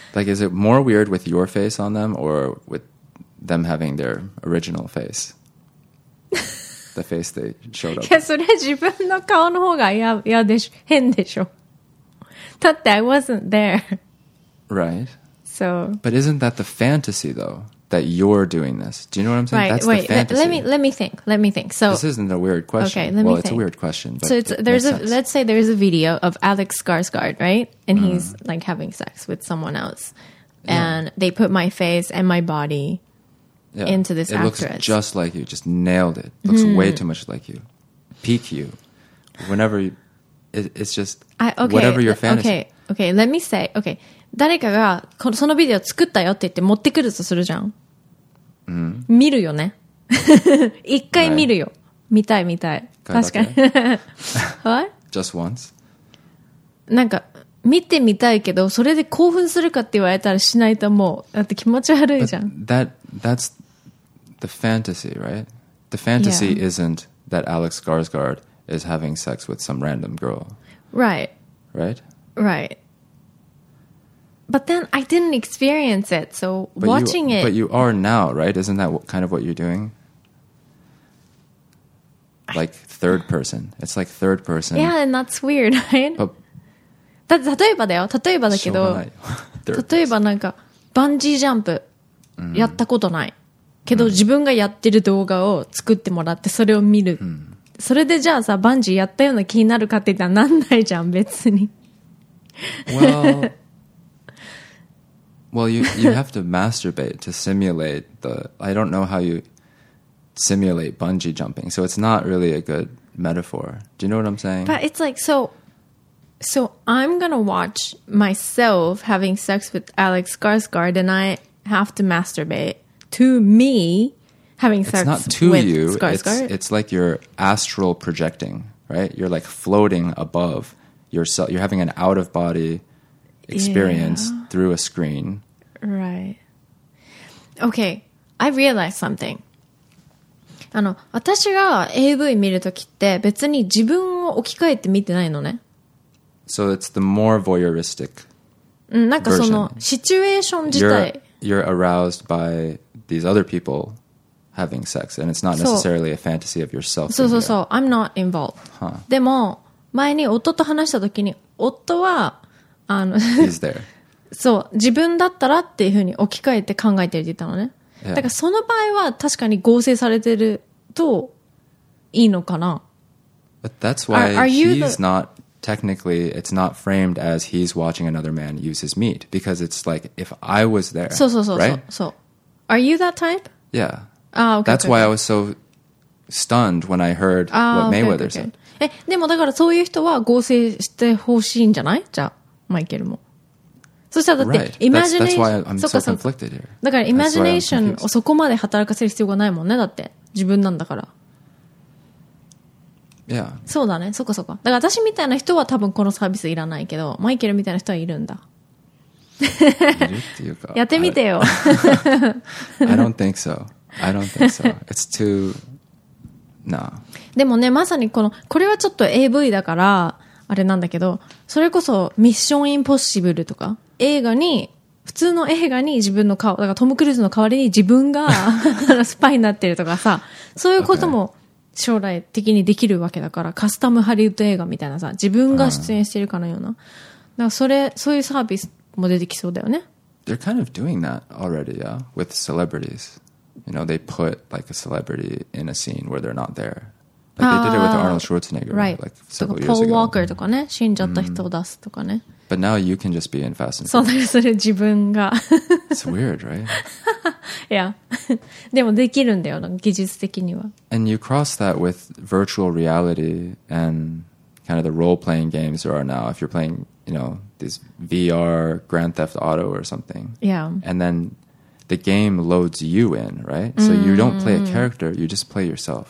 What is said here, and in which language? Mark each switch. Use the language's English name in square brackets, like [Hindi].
[English] Like, is it more weird with your face on them, or with them having their original face? The face they showed up. [Japanese] いや、それ自分の顔の方が嫌でしょ。変でしょ。 [English] That I wasn't there. Right. So. But isn't that the fantasy, though? That you're doing this. Do you know what I'm saying? Right. That's the fantasy. Let me think. So this isn't a weird question. Okay, it's a weird question. But so let's say there's a video of Alex Skarsgård, right? And he's like having sex with someone else. And they put my face and my body into this actress. It looks just like you. Just nailed it. Looks way too much like you. Peak you. Whenever you, it's just whatever your fantasy. Okay, let me say. Okay. [Japanese] 誰かがこのそのビデオ作ったよって言って持ってくるとするじゃん。 [English] Mm-hmm. [Japanese] 見るよね。一回見るよ。 [English] Right. [Japanese] 見たい見たい。確かに。 [English] What? Just once? [Japanese] なんか、見てみたいけど、それで興奮するかって言われたらしないと思う。だって気持ち悪いじゃん。 [English] That's the fantasy, right? The fantasy isn't that Alex Skarsgård is having sex with some random girl. Right. Right? Right. But then I didn't experience it, so But you are now, right? Isn't that kind of what you're doing? Like third person. It's like third person. Yeah, and that's weird, right? But [Japanese] 例えばだよ、例えばだけど、例えばなんかバンジージャンプやったことない。けど自分がやってる動画を作ってもらってそれを見る。それでじゃあさ、バンジーやったような気になるかって言ったらなんないじゃん、別に。 [English] Well, you have to masturbate to simulate the... I don't know how you simulate bungee jumping. So it's not really a good metaphor. Do you know what I'm saying? But it's like, so I'm going to watch myself having sex with Alex Skarsgård and I have to masturbate to me having sex with Skarsgård? It's not to you. It's like you're astral projecting, right? You're like floating above yourself. You're having an out-of-body... experience through a screen. Right. Okay. I realized something. [Japanese] あの、私が AV 見るときって別に自分を置き換えて見てないのね。 [English] So it's the more voyeuristic version. [Japanese] なんかそのシチュエーション自体。 [English] You're aroused by these other people having sex, and it's not necessarily a fantasy of yourself. So I'm not involved. Huh. [Japanese] でも前に夫と話したときに夫は [English] He's there. [Japanese] そう、自分だったらっていうふうに置き換えて考えてるって言ったのね。 [English] Yeah. [Japanese] だからその場合は確かに合成されてるといいのかな。 [English] But that's why he's not technically, it's not framed as he's watching another man use his meat, because it's like if I was there. [Japanese] そう、 [English] right? [Japanese] そう。 [English] Are you that type? Yeah. Ah, okay. That's why I was so stunned when I heard what Mayweather said. [Japanese] え、でもだからそういう人は合成してほしいんじゃない？じゃあ。マイケルも。そしたらだって、 [English] right. imagination. [Japanese] だからimaginationをそこまで働かせる必要がないもんね。だって自分なんだから。 [English] Yeah. [Japanese] そうだね。そこそこ。だから私みたいな人は多分このサービスいらないけど、マイケルみたいな人はいるんだ。いるっていうか。やってみてよ。 [English] I don't think so. It's too. No. [Japanese] でもね、まさにこのこれはちょっと AV だから。あれなんだけど、それこそミッションインポッシブルとか映画に普通の映画に自分の顔だからトム・クルーズの代わりに自分がスパイになってるとかさ、そういうことも将来的にできるわけだから、カスタムハリウッド映画みたいなさ、自分が出演してるかのような、だからそういうサービスも出てきそうだよね。 [English] They're kind of doing that already, yeah, with celebrities. You know, they put like a celebrity in a scene where they're not there. Like they did it with Arnold Schwarzenegger, right? Like several years ago. [Japanese] Paul Walker とかね、死んじゃった人を出すとかね。 [English] But now you can just be in Fast and [Japanese] Furious. そうだね、それ自分が。 [English] It's weird, right? Yeah. [Japanese] でもできるんだよ、技術的には。 [English] And you cross that with virtual reality and kind of the role-playing games there are now. If you're playing, you know, this VR Grand Theft Auto or something. Yeah. And then... The game loads you in, right? So you don't play a character, you just play yourself.